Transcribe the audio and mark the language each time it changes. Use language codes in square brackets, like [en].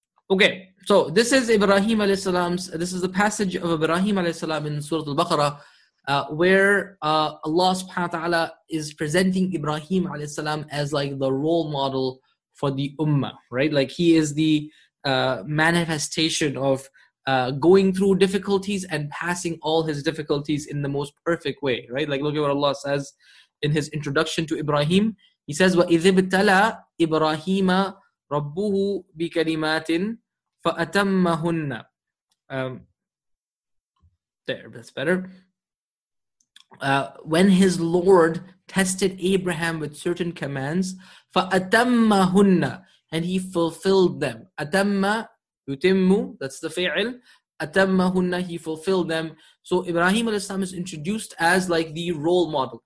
[en] Okay, so this is Ibrahim alayhi salam's, this is the passage of Ibrahim alayhi salam in Surah Al-Baqarah, where Allah subhanahu wa ta'ala is presenting Ibrahim alayhi salam as like the role model for the ummah, right? Like he is the manifestation of going through difficulties and passing all his difficulties in the most perfect way, right? Like look at what Allah says in his introduction to Ibrahim. He says, [ar] وَإِذِ ابْتَلَى إِبْرَاهِيمَ رَبُّهُ بِكَلِمَاتٍ فَأَتَمَّهُنَّ [en] There, that's better. When his Lord tested Abraham with certain commands, [ar] فَأَتَمَّهُنَّ [en] And he fulfilled them. [ar] أَتَمَّ يُتِمُّ [en] That's the fi'il. [ar] أَتَمَّهُنَّ [en] He fulfilled them. So Ibrahim al-Islam is introduced as like the role model.